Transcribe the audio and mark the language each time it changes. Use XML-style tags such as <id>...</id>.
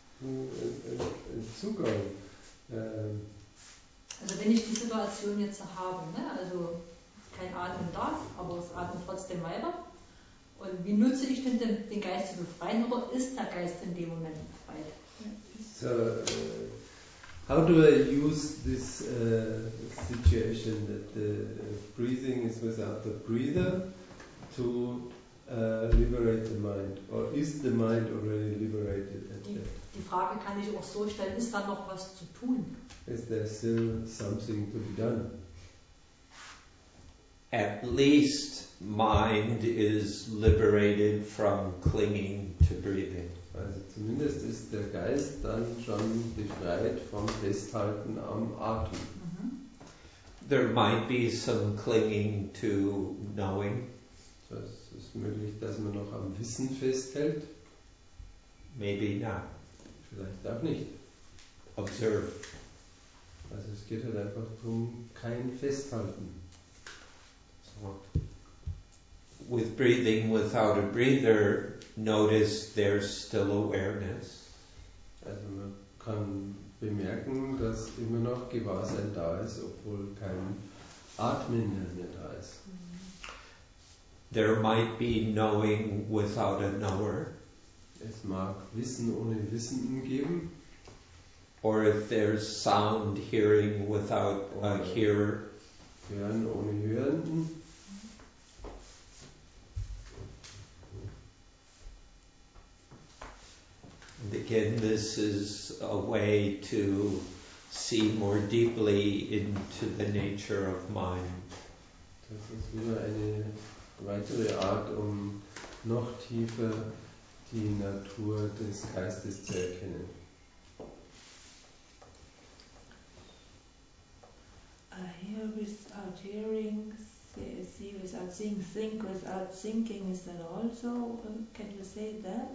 <de>Ein Zugang. Also wenn ich die Situation jetzt habe, ne, also kein Atmen da, aber es atmet trotzdem weiter. Und wie nutze ich denn den Geist zu befreien, oder ist der Geist in dem Moment befreit?</de> <en>So, how do I use this situation that the breathing is without the breather to liberate the mind? Or is the mind already liberated at that?</en> <de>Die Frage kann ich auch so stellen, ist da noch was zu tun?</de> <en>Is there still something to be done? At least mind is liberated from clinging to breathing.</en> <de>Also zumindest ist der Geist dann schon befreit vom Festhalten am Atem. Mm-hmm.</de> <en>There might be some clinging to knowing.</en> <de>Es ist möglich, dass man noch am Wissen festhält.</de> <en>Maybe not.</en> <de>Vielleicht auch nicht.</de> <en>Observe.</en> <de>Also es geht halt einfach darum, kein Festhalten.</de> <en>With breathing without a breather, notice there's still awareness.</en> <de>Also man kann bemerken, dass immer noch Gewahrsein da ist, obwohl kein Atmen mehr da ist.</de> <en>There might be knowing without a knower.</en> <de>Es mag Wissen ohne Wissenden geben.</de> <en>Or if there's sound hearing without a hearer.</en> <de>Hören ohne Hörenden.</de> <en>Again, this is a way to see more deeply into the nature of mind.</en> <de>Das ist wieder eine weitere Art, um noch tiefer die Natur des Geistes zu erkennen.</de> <en>I hear without hearing, see without seeing, think without thinking, is that also, can you say that?</en>